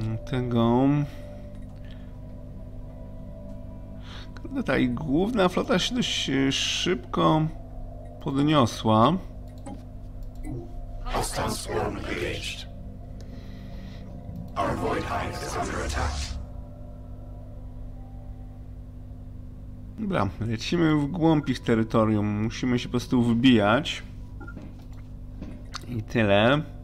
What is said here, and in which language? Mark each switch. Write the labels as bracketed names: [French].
[Polish] Tego. Ta główna flota się dość szybko podniosła. [English] Hostile swarm engaged. Our void hive is under attack. [Polish] Dobra, lecimy w głąb ich terytorium. Musimy się po prostu wbijać. I tyle.